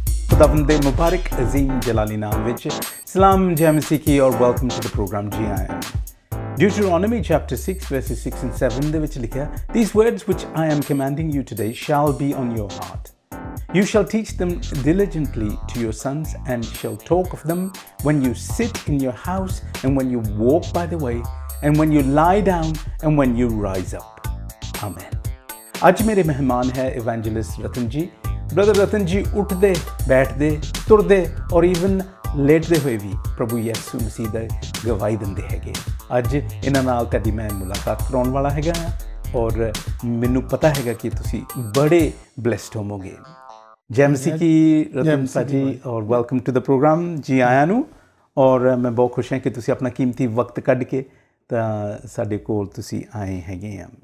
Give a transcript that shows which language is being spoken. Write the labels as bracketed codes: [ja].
[pa] ਖੁਦਾਵੰਦ ਦੇ ਮੁਬਾਰਕ ਅਜ਼ੀਮ ਜਲਾਲੀ ਨਾਮ ਵਿੱਚ ਸਲਾਮ ਜੈ ਮਸੀਹ ਕੀ ਔਰ [en] welcome to the program ਜੀ I am Deuteronomy chapter 6 verses 6 and 7 [pa] ਦੇ ਵਿੱਚ ਲਿਖਿਆ [en] These words which I am commanding you today shall be on your heart. You shall teach them diligently to your sons and shall talk of them when you sit in your house and when you walk by the way and when you lie down and when you rise up. Amen. [pa] ਅੱਜ ਮੇਰੇ ਮਹਿਮਾਨ ਹੈ evangelist ਰਤਨ ਜੀ brother ਰਤਨ ਜੀ ਉੱਠਦੇ ਬੈਠਦੇ ਤੁਰਦੇ ਔਰ ਈਵਨ ਲੇਟਦੇ ਹੋਏ ਵੀ ਪ੍ਰਭੂ ਯਿਸੂ ਮਸੀਹ ਦੇ ਗਵਾਹੀ ਦਿੰਦੇ ਹੈਗੇ ਅੱਜ ਇਹਨਾਂ ਨਾਲ ਤੁਹਾਡੀ ਮੈਂ ਮੁਲਾਕਾਤ ਕਰਾਉਣ ਵਾਲਾ ਹੈਗਾ ਹਾਂ ਔਰ ਮੈਨੂੰ ਪਤਾ ਹੈਗਾ ਕਿ ਤੁਸੀਂ ਬੜੇ ਬਲੈਸਡ ਹੋਵੋਗੇ ਜੈ ਮਸੀਹ ਕੀ ਰਤਨ ਸਾਜੀ ਔਰ [en] welcome to the program [pa] ਜੀ ਆਇਆਂ ਨੂੰ ਔਰ ਮੈਂ ਬਹੁਤ ਖੁਸ਼ ਹਾਂ ਕਿ ਤੁਸੀਂ ਆਪਣਾ ਕੀਮਤੀ ਵਕਤ ਕੱਢ ਕੇ ਤਾਂ ਸਾਡੇ ਕੋਲ ਤੁਸੀਂ ਆਏ ਹੈਗੇ ਹਾਂ